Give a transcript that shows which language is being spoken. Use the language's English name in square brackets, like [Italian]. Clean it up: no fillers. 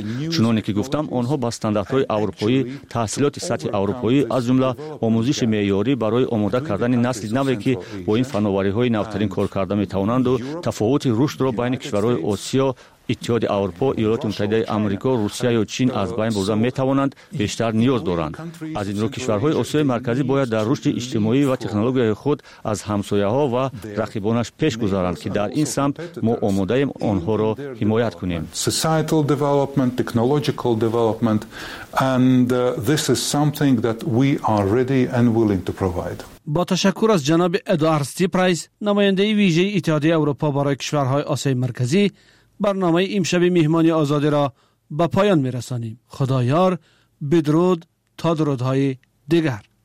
[Persian] چنانی که گفتم آنها با استانداردهای اروپایی، تحصیلات سطح اروپایی از جمله آموزش معیاری برای آماده کردن نسل نوی که با این فناوری های نوترین کار کرده می توانند و تفاوت رشد را بین کشورهای آسیا، اتحاد اروپا، ایالات متحده آمریکا، روسیه یا چین از بین برده می توانند بیشتر نیاز دارند. از این رو کشورهای آسیای مرکزی باید در رشد اجتماعی و تکنولوژی خود از همسایه ها و رقیبانش پیش گذارند که در این سمت ما آماده ایم آنها را حمایت کنیم. [English] Societal development, technological development, and this is something that we are ready and willing to provide. [Persian] با تشکر از جناب ادوارد سیپرایس، نماینده ویژه اتحادیه اروپا برای کشورهای آسیای مرکزی، برنامه امشب میهمانی آزادی را به پایان میرسانیم. خدا یار، بدرود تا درودهای دیگر.